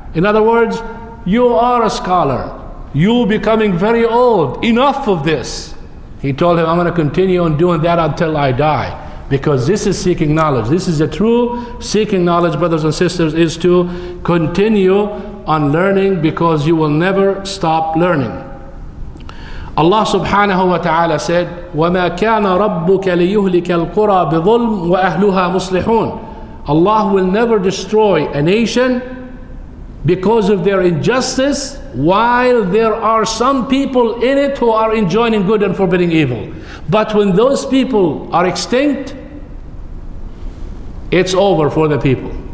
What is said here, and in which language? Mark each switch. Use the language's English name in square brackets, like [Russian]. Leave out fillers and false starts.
[English] In other words, you are a scholar. You becoming very old. Enough of this. He told him, "I'm going to continue on doing that until I die." Because this is seeking knowledge. This is the true seeking knowledge, brothers and sisters, is to continue on learning because you will never stop learning. [Arabic] Allah subhanahu wa ta'ala said, وَمَا كَانَ رَبُّكَ لِيُهْلِكَ الْقُرَى بِظُلْمٍ وَأَهْلُهَا مُصْلِحُونَ. [English] Allah will never destroy a nation because of their injustice while there are some people in it who are enjoining good and forbidding evil. But when those people are extinct, it's over for the people.